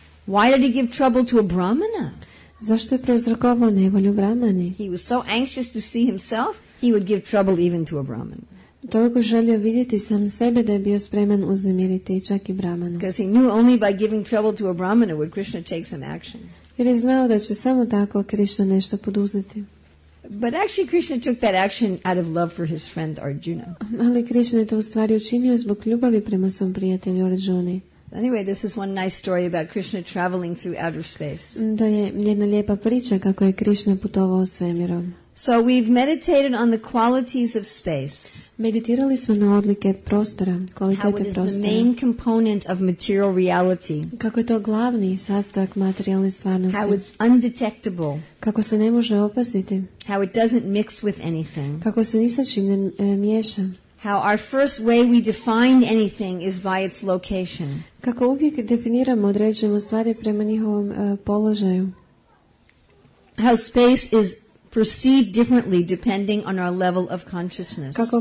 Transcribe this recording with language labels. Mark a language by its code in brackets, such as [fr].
[en] Why did he give trouble to a Brahmana? [hr] Zašto je prouzrokovao nevolju Brahmani? [en] He was so anxious to see himself, he would give trouble even to a Brahman. [hr] Toliko želio vidjeti sam sebe da je bio spreman uznemiriti čak i Brahmanu. [en] Because he knew only by giving trouble to a Brahmana would Krishna take some action. [hr] Jer je znao da će samo tako Krishna nešto poduzeti. [en] But actually Krishna took that action out of love for his friend Arjuna. [hr] Ali Krishna je to u stvari učinio zbog ljubavi prema svom prijatelju Arjuni. [en] Anyway, this is one nice story about Krishna traveling through outer space. [hr] To je jedna lijepa priča kako je Krishna putovao svemirom. [en] So we've meditated on the qualities of space. [hr] Meditirali smo na odlike prostora, kvalitete prostora. [en] How it is the main component of material reality. [hr] Kako je to glavni sastojak materijalne stvarnosti. [en] How it's undetectable. [hr] Kako se ne može opaziti. [en] How it doesn't mix with anything. [hr] Kako se ni sa čim ne miješa. [en] How our first way we define anything is by its location. [hr] Kako uvijek definiramo, određujemo stvari prema njihovom položaju. [en] How space is perceived differently depending on our level of consciousness.